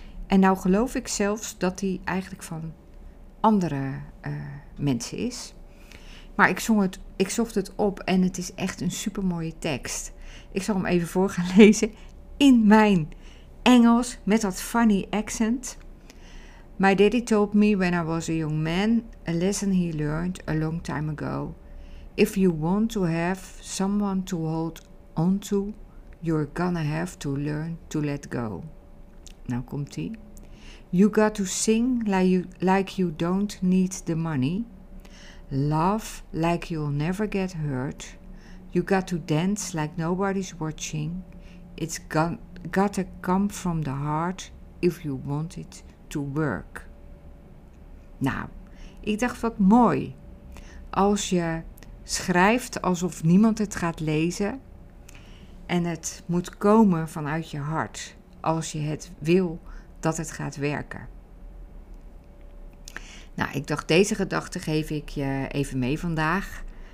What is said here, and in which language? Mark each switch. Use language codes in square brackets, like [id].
[nl] En nou geloof ik zelfs dat die eigenlijk van andere mensen is. Maar ik zocht het op en het is echt een supermooie tekst. Ik zal hem even voor gaan lezen in mijn Engels met dat funny accent. [en] My daddy told me when I was a young man a lesson he learned a long time ago. If you want to have someone to hold on to, you're gonna have to learn to let go. [nl] Nou komt ie. [en] You got to sing like you don't need the money. Laugh like you'll never get hurt. You got to dance like nobody's watching. It's gotta come from the heart if you want it to work. [nl] Nou, ik dacht wat mooi. Als je schrijft alsof niemand het gaat lezen en het moet komen vanuit je hart als je het wil dat het gaat werken. Nou, ik dacht, deze gedachte geef ik je even mee vandaag.